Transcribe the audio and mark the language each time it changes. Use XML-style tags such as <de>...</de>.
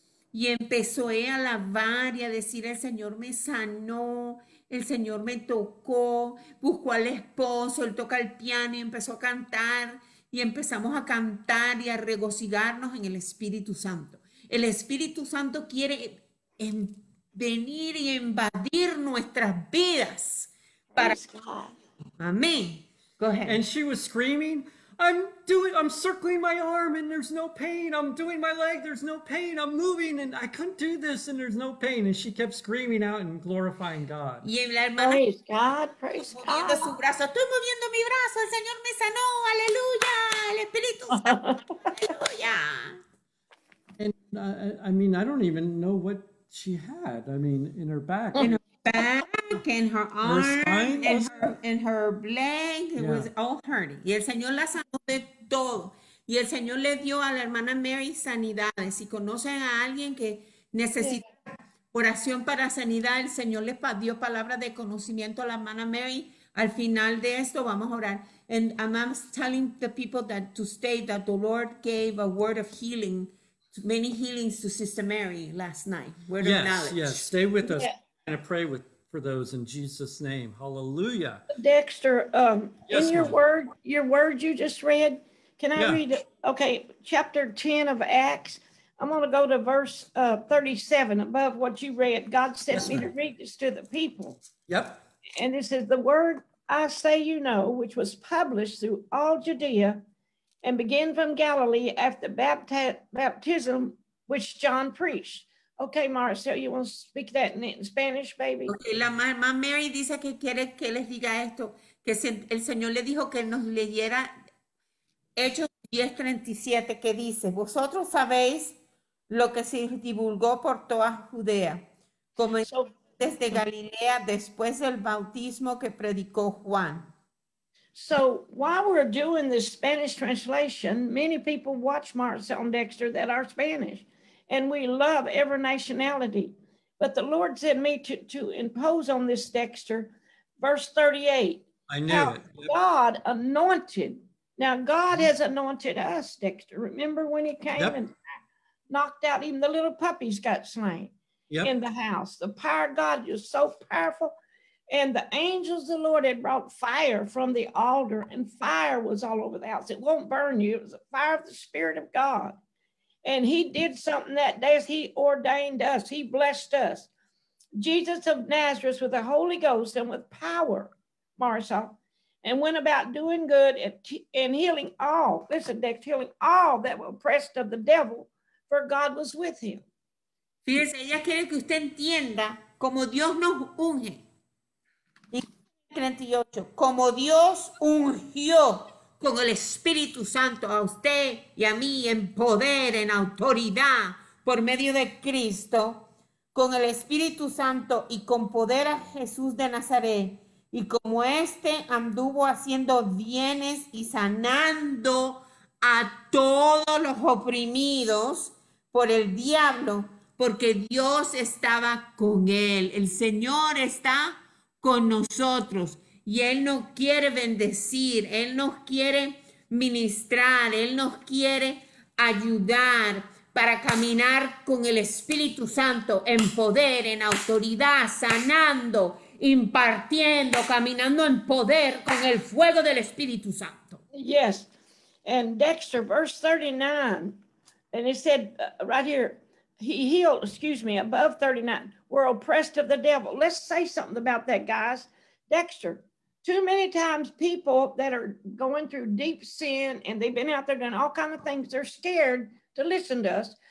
<es>Y empezó ella a alabar y a decir, el Señor me sanó, el Señor me tocó, buscó al esposo, él toca el piano y empezó a cantar. Y empezamos a cantar y a regocijarnos en el Espíritu Santo. El Espíritu Santo quiere venir y invadir nuestras vidas.</es> <en>Amén. Go ahead. And she was screaming, I'm circling my arm and there's no pain. I'm doing my leg, there's no pain. I'm moving and I couldn't do this and there's no pain. And she kept screaming out and glorifying God.</en> <es>Y la hermana,</es> <en>praise God, praise God.</en> <es>Moviendo su brazo, estoy moviendo mi brazo, el Señor me sanó, aleluya, el Espíritu Santo, aleluya.</es> <en>And I mean, I don't even know what she had. I mean, in her back. In her back. En her arm, en her leg, it was all hurting.</en> <es>Y el Señor la sanó de todo. Y el Señor le dio a la hermana Mary sanidades. Si conocen a alguien que necesita oración para sanidad, el Señor le dio palabras de conocimiento a la hermana Mary. Al final de esto, vamos a orar.</es> <en>And I'm telling the people that to stay, that the Lord gave a word of healing, many healings to Sister Mary last night. Word yes, of knowledge. Yes, stay with us. Yeah. And pray with for those in Jesus' name. Hallelujah. Dexter, yes, in your word, you just read, can I read? Okay, chapter 10 of Acts. I'm going to go to verse 37 above what you read. God sent me to read this to the people. Yep. And it says, the word I say you know, which was published through all Judea and began from Galilee after baptism, which John preached. Okay, Marcel, you want to speak that in Spanish, baby?</en> <es>Okay, la mamá Mary dice que quiere que les diga esto, que el Señor le dijo que nos leyera Hechos 10:37, que dice, vosotros sabéis lo que se divulgó por toda Judea, como desde Galilea después del bautismo que predicó Juan.</es> <en>So while we're doing this Spanish translation, many people watch Marcel and Dexter that are Spanish. And we love every nationality. But the Lord sent me to impose on this Dexter, verse 38. I knew it. God anointed. Now, God has anointed us, Dexter. Remember when he came and knocked out, even the little puppies got slain in the house. The power of God was so powerful. And the angels of the Lord had brought fire from the altar, and fire was all over the house. It won't burn you. It was the fire of the Spirit of God. And he did something that day as he ordained us. He blessed us. Jesus of Nazareth with the Holy Ghost and with power, Marcia, and went about doing good and healing all. Listen, Dex, healing all that were oppressed of the devil, for God was with him.</en> <es>Fíjese, ella quiere que usted entienda como Dios nos unge. 38, como Dios ungió con el Espíritu Santo a usted y a mí en poder, en autoridad, por medio de Cristo, con el Espíritu Santo y con poder a Jesús de Nazaret. Y como éste anduvo haciendo bienes y sanando a todos los oprimidos por el diablo, porque Dios estaba con él. El Señor está con nosotros. Y Él nos quiere bendecir, Él nos quiere ministrar, Él nos quiere ayudar para caminar con el Espíritu Santo en poder, en autoridad, sanando, impartiendo, caminando en poder con el fuego del Espíritu Santo.</es> <en>Yes, and Dexter, verse 39, and it said right here, he healed, excuse me, above 39, we're oppressed of the devil. Let's say something about that, guys. Dexter. Too many times people that are going through deep sin and they've been out there doing all kinds of things, they're scared to listen to us.</en>